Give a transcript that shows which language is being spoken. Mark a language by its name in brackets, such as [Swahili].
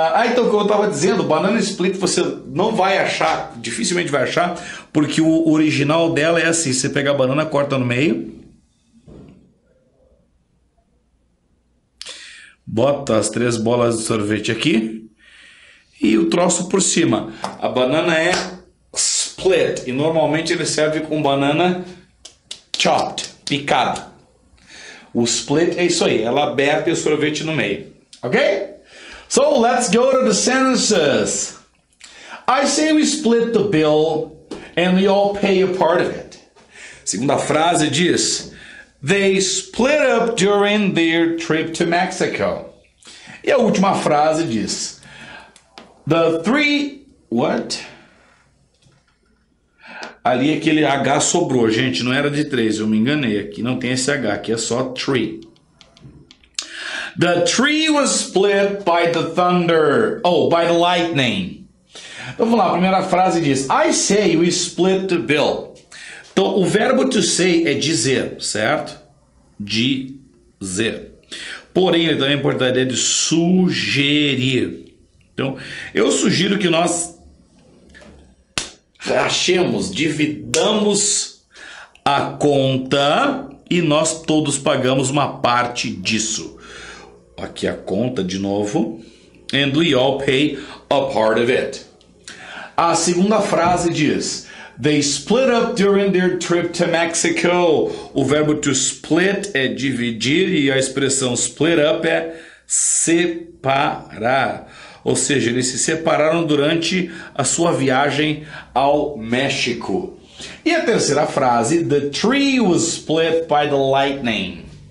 [Portuguese] Então, como eu estava dizendo, banana split você não vai achar, dificilmente vai achar, porque o original dela é assim, você pega a banana, corta no meio, bota as três bolas de sorvete aqui e o troço por cima. A banana é split e normalmente ele serve com banana chopped, picada. O split é isso aí, ela aberta e o sorvete no meio. [English] Ok? So let's go to the sentences. I say we split the bill and we all pay a part of it. [Portuguese] Segunda frase diz: [English] they split up during their trip to Mexico. [Portuguese] E a última frase diz: [English] the three. What? [Portuguese] Ali aquele H sobrou, gente. Não era de três, eu me enganei. Aqui não tem esse H, aqui é só three. [English] The tree was split by the thunder. Oh, by the lightning. [Portuguese] Então vamos lá, a primeira frase diz: [English] I say we split the bill. [Portuguese] Então o verbo to say é dizer, certo? Dizer. Porém, ele também importaria de sugerir. Então, eu sugiro que nós achemos, dividamos a conta e nós todos pagamos uma parte disso. Aqui a conta de novo. [English] And we all pay a part of it. [Portuguese] A segunda frase diz: [English] they split up during their trip to Mexico. [Portuguese] O verbo to split é dividir e a expressão split up é separar. Ou seja, eles se separaram durante a sua viagem ao México. E a terceira frase: [English] the tree was split by the lightning.